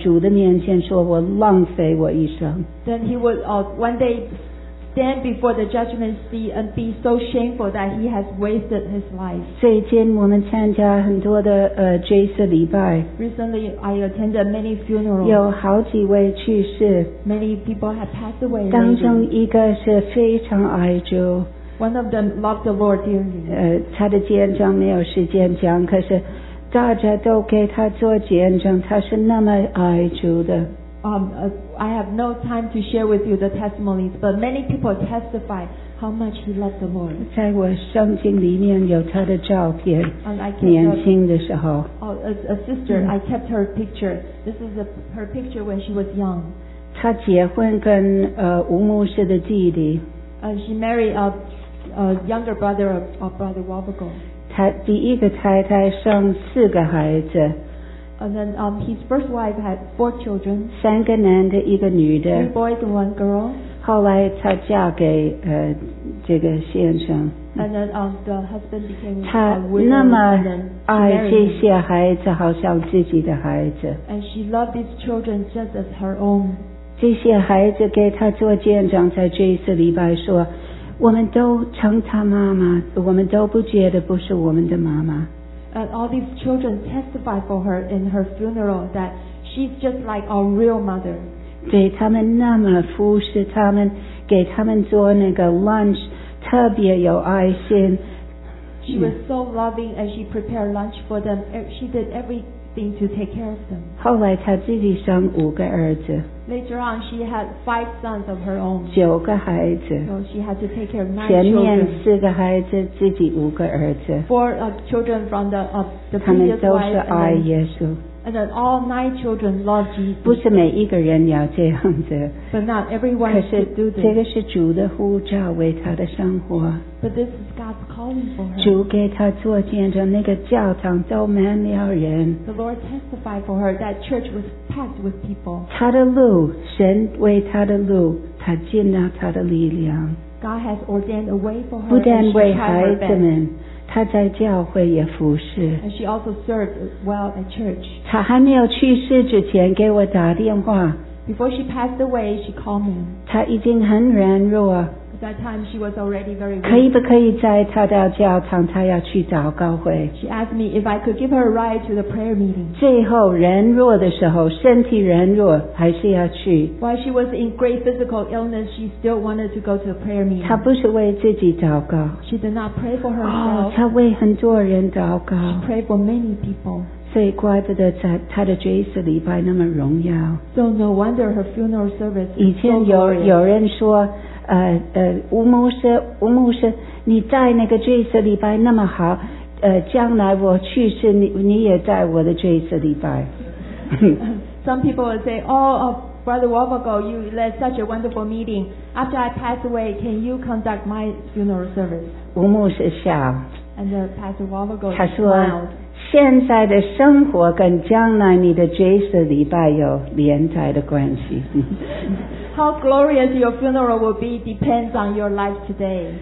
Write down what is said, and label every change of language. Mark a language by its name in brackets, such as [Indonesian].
[Chinese] 他那么惭愧站在主的面前说我浪费我一生, [English] then he would one day stand before the judgment seat and be so shameful that he has wasted his life. [Chinese] 最近我们参加很多的, J4礼拜, [English] recently, I attended many funerals. [Chinese] 有好几位去世, [English] many people have passed away. [Chinese] 当中一个是非常爱主, [English] one of them loved the Lord dearly. [Chinese] 他的见证没有时间讲, 可是大家都给他做见证, 他是那么爱主的。 [English] I have no time to share with you the testimonies, but many people testify how much he loved the Lord. [Chinese] 在我圣经里面有他的照片, [English] and I kept [Chinese] 年轻的时候, [English] a sister, I kept her picture. This is her picture when she was young. [Chinese] 她结婚跟, 吴牧师的弟弟, [English] and she married a younger brother of Brother Wabago. [Chinese] 她第一个太太生四个孩子, [English] and then his first wife had four children, [Chinese] 三个男的一个女的, [English] three boys and one girl. [Chinese] 后来她嫁给, 这个先生, [English] and then the husband became a widow, and then she married him. [Chinese] 好像自己的孩子, [English] and she loved these children just as her own. [Chinese] 这些孩子给她做见证在这一次礼拜说, 我们都称她妈妈, 我们都不觉得不是我们的妈妈。 [English] And all these children testify for her in her funeral that she's just like our real mother. [Chinese] 对他们那么服侍他们, 给他们做那个 lunch, 特别有爱心。 [English] She was so loving and she prepared lunch for them. She did everything to take care of them. [Chinese] 后来她自己生五个儿子。 [English] Later on, she had five sons of her own. [Chinese] 九个孩子。 [English] So she had to take care of nine children. [Chinese] 前面四个孩子, 自己五个儿子。 [English] Four children from the previous wife. [Chinese] 他们都是爱耶稣。 [English] And then all nine children love Jesus. [Chinese] 不是每一个人要这样子。 [English] But not everyone should do this. [Chinese] 这个是主的呼召为他的生活。 [English] But this is God's calling for her. [Chinese] 主给他做见证, 那个教堂都满了人。 [English] The Lord testified for her that church was packed with people. [Chinese] 他的路, 神为他的路, 他尽了他的力量。 [English] God has ordained a way for her. [Chinese] 不但为孩子们, 她在教会也服侍。 [English] And she also served well at church. [Chinese] 她还没有去世之前给我打电话。 [English] Before she passed away, she called me. [Chinese] 她已经很软弱。 [English] At that time, she was already very weak. [Chinese] 可以不可以在她到教堂，她要去找高会。 [English] She asked me if I could give her a ride to the prayer meeting. [Chinese] 最后软弱的时候，身体软弱，还是要去。 [English] While she was in great physical illness, she still wanted to go to the prayer meeting. [Chinese] 她不是为自己祷告。 [English] She did not pray for herself. [Chinese] 她为很多人祷告。 [English] She prayed for many people. [Chinese] 所以怪不得在他的追思礼拜那么荣耀。 [English] So no wonder her funeral service. [Chinese] 以前有人说，吴牧师，你在那个追思礼拜那么好，将来我去世，你也在我的追思礼拜。 [English] Some people will say, Brother Wovago, you led such a wonderful meeting. After I pass away, can you conduct my funeral service? [Chinese] 吴牧师笑。 [English] And Pastor Wovago smiled. [Chinese] 他说。现在的生活跟将来你的追思礼拜有连带的关系。 [English] How glorious your funeral will be depends on your life today.